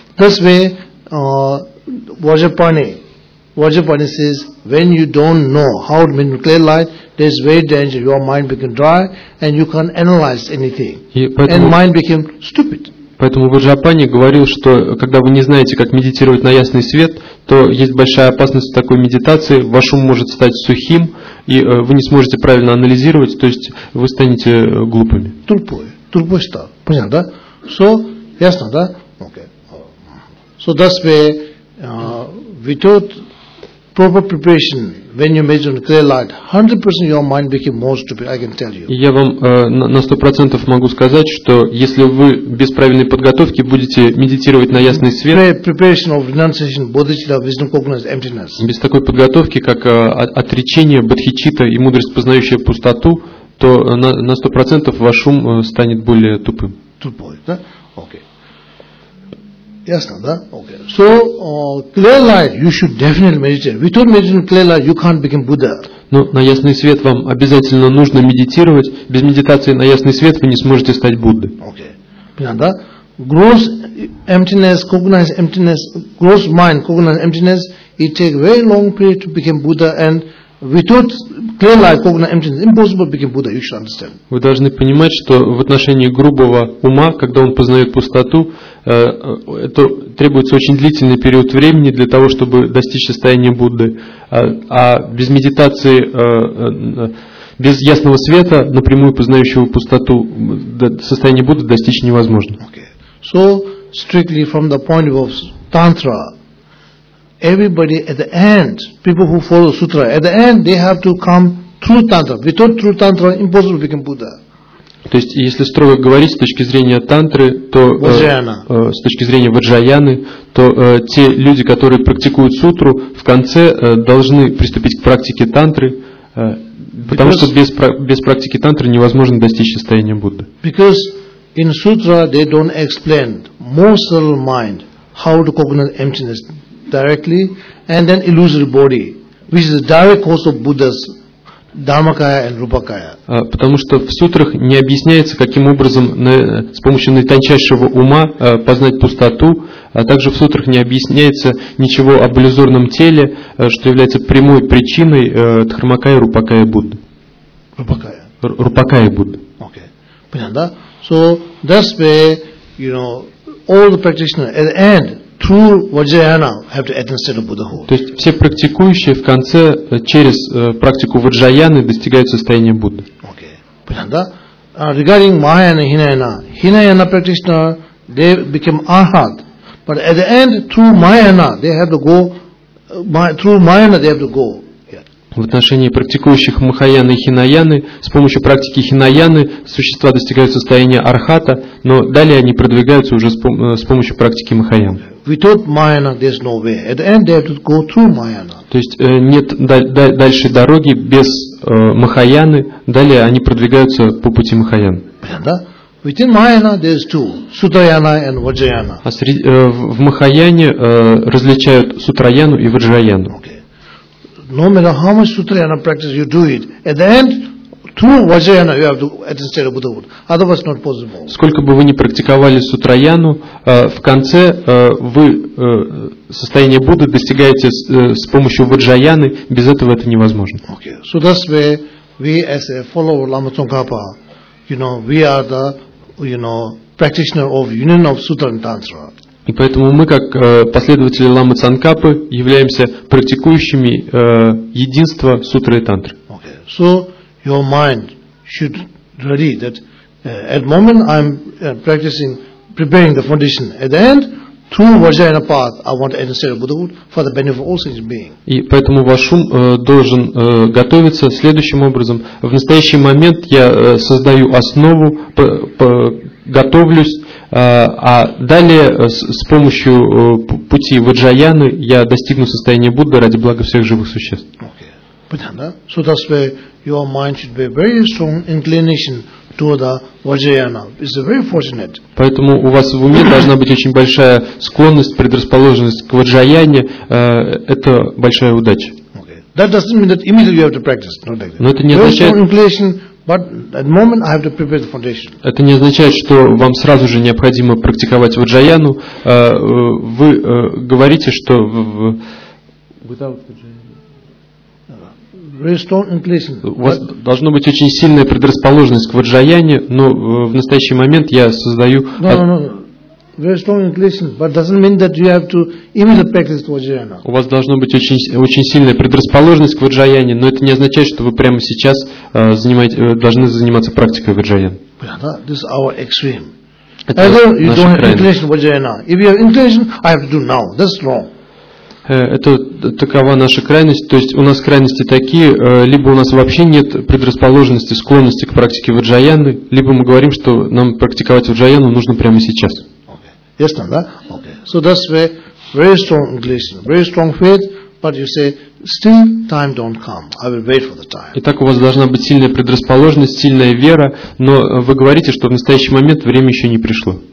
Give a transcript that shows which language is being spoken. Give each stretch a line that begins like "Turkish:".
English: This way, Vajrapani says, when you don't know how to make clear light, there's very danger. Your mind becomes dry and you can't analyze anything. And mind became stupid.
Russian: Поэтому Ваджапани говорил, что когда вы не знаете, как медитировать на ясный свет, то есть большая опасность в такой медитации, ваш ум может стать сухим, и вы не сможете правильно анализировать, то есть вы станете глупыми. Тупой стал. Понятно, да? So, ясно, да? Okay.
English: So, that's where, without proper preparation, when you meditate on clear light, 100% your mind became more stupid, I can tell you.
Russian: Я вам на 100% могу сказать, что если вы без правильной подготовки будете медитировать на ясный свет,
English: preparation of renunciation, bodhicitta, wisdom, cognizance, emptiness.
Russian: Без такой подготовки, как отречение, бодхичитта и мудрость, познающая пустоту, то на 100% ваш ум станет более тупым. Тупой, да? Окей. Ясно, да? Okay.
English: So, clear light, you should definitely meditate. Without meditating clear light, you can't become Buddha.
Russian: Но на ясный свет вам обязательно нужно медитировать. Без медитации на ясный свет вы не сможете стать Буддой. Окей. Понятно, да?
English: Gross emptiness, cognize emptiness, gross mind, cognize emptiness, it takes very long period to become Buddha, and without clear light, cognize emptiness, impossible to become Buddha, you should understand.
Russian: Вы должны понимать, что в отношении грубого ума, когда он познает пустоту, это требуется очень длительный период времени для того, чтобы достичь состояния Будды. А без медитации, без ясного света, напрямую познающего пустоту, состояние Будды достичь невозможно.
English: Okay. So, strictly from the point of view of Tantra, everybody at the end, people who follow Sutra, at the end they have to come through Tantra. Without through Tantra, impossible to become Buddha.
Russian: То есть, если строго говорить с точки зрения тантры, то с точки зрения ваджаяны, то те люди, которые практикуют сутру, в конце должны приступить к практике тантры, потому что без практики тантры невозможно достичь состояния Будды.
English: Because in sutra they don't explain more subtle mind how to cognize emptiness directly, and then illusory body, which is a direct cause of Buddha's Dharmakaya and Rupakaya.
Russian: Потому что в сутрах не объясняется, каким образом с помощью наитончайшего ума познать пустоту, а также в сутрах не объясняется ничего об иллюзорном теле, что является прямой причиной Дхармакая и Рупакая Будды. Рупакая. Рупакая Будды. Okay. Понятно, да?
English: So, that's where, you know, all the practitioners, at the end, through Vajrayana, have to attain state of Buddhahood.
Russian: То есть все практикующие в конце через практику Ваджаяны достигают состояния Будды. Okay. Понятно, да?
English: Regarding Mahayana and Hinayana, Hinayana practitioner, they became Arhat. But at the end, through Mahayana, they have to go, through Mahayana, they have to go.
Russian: В отношении практикующих Махаяны и Хинаяны, с помощью практики Хинаяны существа достигают состояния Архата, но далее они продвигаются уже с помощью практики Махаяны.
English: Without Mahayana, there's no way. At the end, they have to go through Mahayana.
Russian: То есть нет дальше дороги без Махаяны, далее они продвигаются по пути Махаяны.
English: Да? Within Mahayana, there's two. Sutrayana and Vajrayana.
Russian: А в Махаяне различают Сутраяну и Ваджраяну.
English: Okay. No matter how much sutrayana practice you do it, at the end, through vajrayana you have to attain the state of Buddhahood. Otherwise, not possible.
Russian: Сколько бы вы ни практиковали сутраяну, в конце вы состояние Будды достигаете с помощью ваджраяны. Без этого это невозможно.
English: Okay. So that's where we, as a follower of Lama Tsongkhapa, you know, we are the, you know, practitioner of union of sutra and tantra.
Russian: И поэтому мы, как последователи Ламы Цанкапы, являемся практикующими единства сутры и тантры.
English: Okay. So your mind should ready that at moment I'm practicing, preparing the foundation. At the end, through Vajrayana path, I want to enter the state of Buddhahood for the benefit of all sentient beings.
Russian: И поэтому ваш ум должен готовиться следующим образом. В настоящий момент я создаю основу, готовлюсь, а далее с помощью пути Ваджаяны я достигну состояния Будды ради блага всех живых существ. Понятно?
English: So that's where your mind should be very strong inclination to the Vajrayana. It's very fortunate.
Russian: Поэтому у вас в уме должна быть очень большая склонность, предрасположенность к Ваджаяне. Это большая удача.
English: Okay. That doesn't mean that immediately you have to practice. Not like that.
Russian: Но это не означает...
English: But at the moment I have to prepare the foundation.
Russian: Это не означает, что вам сразу же необходимо практиковать ваджаяну. Вы говорите, что у вас должно быть очень сильная предрасположенность к ваджаяне, но в настоящий момент я создаю.
English: Very strong inclination, but doesn't mean that you have to immediately practice vajrayana.
Russian: У вас должно быть очень сильная предрасположенность к ваджаяне, но это не означает, что вы прямо сейчас должны заниматься практикой ваджаян.
English: This is our extreme. Either you don't have inclination vajrayana. If you have inclination, I have to do now. That's wrong.
Russian: Это такова наша крайность, то есть у нас крайности такие, либо у нас вообще нет предрасположенности, склонности к практике ваджаяны, либо мы говорим, что нам практиковать ваджаяну нужно прямо сейчас.
English: Okay. Yes, now, huh? Okay. So that's where very strong English, very strong faith, but you say still time don't come. I will wait for the time.
Russian: Итак, у вас должна быть сильная предрасположенность, сильная вера, но вы говорите, что в настоящий момент время еще не пришло.